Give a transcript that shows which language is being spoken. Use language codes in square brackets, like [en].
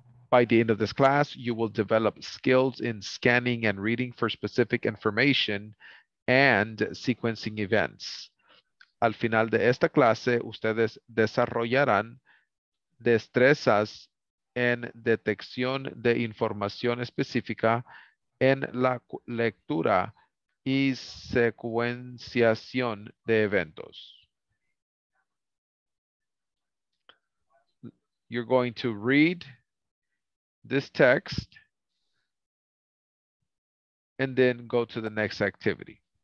[en] By the end of this class, you will develop skills in scanning and reading for specific information and sequencing events. [es] Al final de esta clase, ustedes desarrollarán destrezas en detección de información específica en la lectura y secuenciación de eventos. [en] You're going to read this text and then go to the next activity.